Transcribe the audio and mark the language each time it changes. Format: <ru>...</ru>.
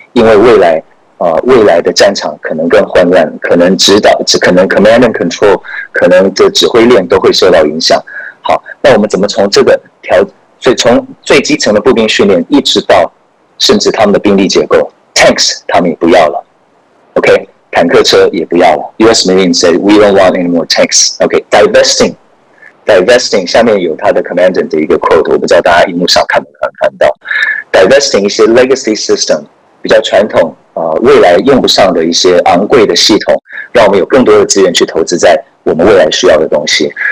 <zh>因为未来、未来的战场可能更混乱，可能指导，可能</zh> <en>command and control，</en> <zh>可能这指挥链都会受到影响。好，那我们怎么从这个调？所以从最基层的步兵训练，一直到甚至他们的兵力结构 ，tanks 他们也不要了。OK， 坦克车也不要了。</zh> <en>US Marine said we don't want any more tanks. OK， divesting。</en> <zh>Divesting 下面有他的 commandant 的一个 quote， 我不知道大家荧幕上看不看到。 Divesting 一些 legacy system 比较传统、未来用不上的一些昂贵的系统，让我们有更多的资源去投资在我们未来需要的东西。</zh>